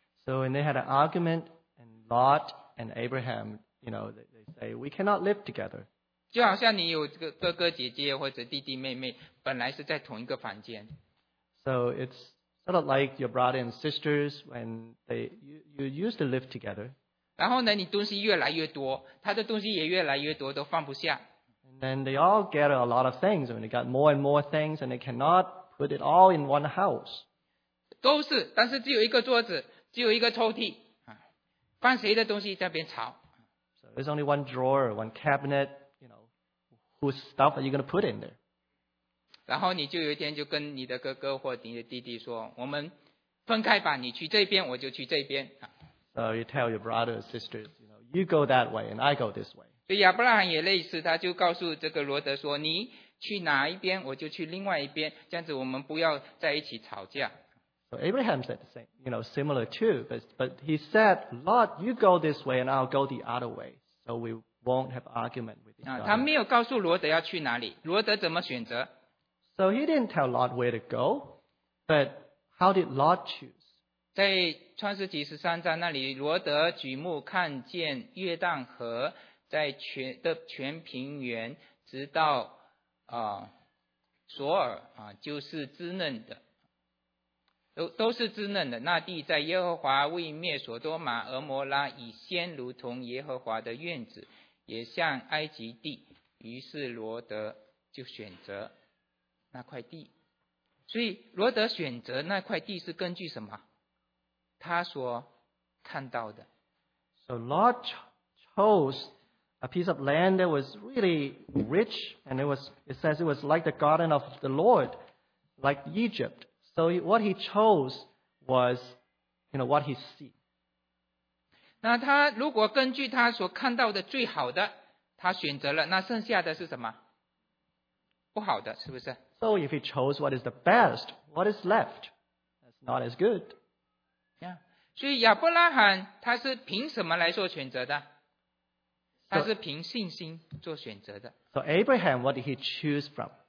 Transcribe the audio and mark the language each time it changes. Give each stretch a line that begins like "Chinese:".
English: So when they had an argument, and Lot and Abraham, you know, they say, we cannot live together.
Chinese: 就好像你有哥哥姐姐或者弟弟妹妹本来是在同一个房间。
English: So it's sort of like your brother and sisters when you used to live together.
Chinese: 然后呢你东西越来越多，他的东西也越来越多，都放不下。
English: And they all get a lot of things. I mean, they got more and more things, and they cannot put it all in one house.
Chinese: 都是，但是只有一个桌子，只有一个抽屉，放谁的东西在那边吵。
English: So there's only one drawer, one cabinet. You know, whose stuff are you going to put in there?
Chinese: 然后你就有一天就跟你的哥哥或你的弟弟说，我们分开吧，你去这边，我就去这边。
English: So you tell your brothers and sisters, you know, you go that way, and I go this way.
Chinese: 所以亚伯拉罕也类似，他就告诉这个罗德说：“你去哪一边，我就去另外一边，这样子我们不要在一起吵架。”
English: So Abraham said the same, you know, similar too, but he said, "Lot, you go this way, and I'll go the other way, so we won't have argument with each other."
Chinese: 他没有告诉罗德要去哪里，罗德怎么选择
English: ？So he didn't tell Lot where to go, but how did Lot choose?
Chinese: 在创世纪十三章那里，罗德举目看见约旦河。在全平原直到索尔就是滋嫩的 都是滋嫩的那地在耶和华为灭索多玛俄摩拉以先如同耶和华的院子也像埃及地于是罗德就选择那块地所以罗德选择那块地是根据什么他所看到的
English: So Lot chose a piece of land that was really rich, and it says it was like the garden of the Lord, like Egypt. So what he chose was, you know, what he see.
Chinese: 那他如果根据他所看到的最好的，他选择了，那剩下的是什么？不好的，是不是？
English: So if he chose what is the best, what is left? That's not as good. Yeah.
Chinese: 所以亚伯拉罕他是凭什么来做选择的？他是凭信心做选择的。
English: So Abraham, what did he choose from?